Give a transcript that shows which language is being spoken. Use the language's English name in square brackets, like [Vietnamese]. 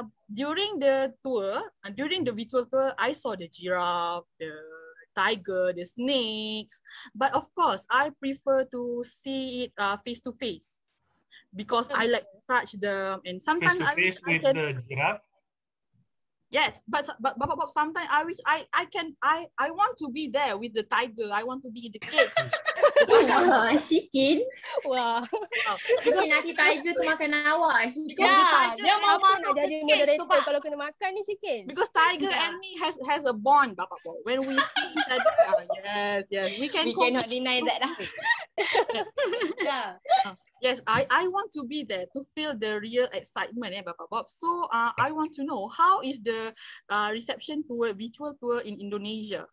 [English] During the virtual tour, I saw the giraffe, the tiger, the snakes, but of course I prefer to see it face to face because I like to touch them, and sometimes I wish with I can the giraffe. Yes, but Bapak Bob, sometimes I wish I want to be there with the tiger. I want to be in the cage. Syikin. Wah. [Malay] Ini nanti tajuk tu makan awak. Ya, dia mau masuk jadi moderator kalau kena makan ni Syikin. [English] Because Tiger and me has a bond, Bapak Bo. When we see each other, yes. We cannot deny that lah. Yes, I want to be there to feel the real excitement, Bapak Bob. So, I want to know, how is the reception tour, virtual tour in Indonesia?